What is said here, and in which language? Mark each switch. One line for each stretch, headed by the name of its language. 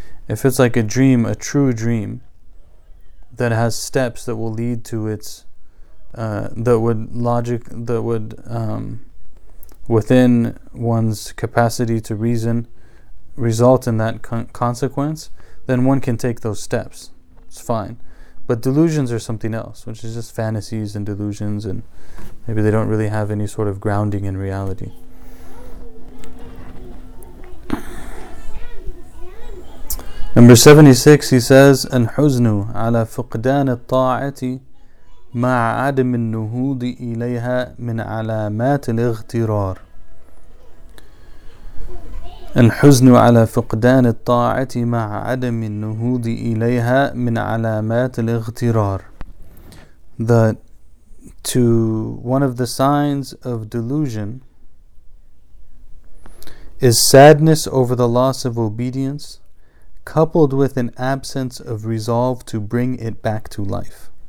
English: If it's like a dream, a true dream, that has steps that will lead to its, that would within one's capacity to reason, result in that consequence, then one can take those steps. It's fine. But delusions are something else, which is just fantasies and delusions, and maybe they don't really have any sort of grounding in reality. Number 76, he says,
Arabic: الحزنُ على فقدان الطاعة مع عدم النهوض إليها من علامات الاغترار. الحزنُ على فقدان الطاعة مع عدم النهوض إليها من علامات الاغترار.
English: That to one of the signs of delusion is sadness over the loss of obedience, coupled with an absence of resolve to bring it back to life.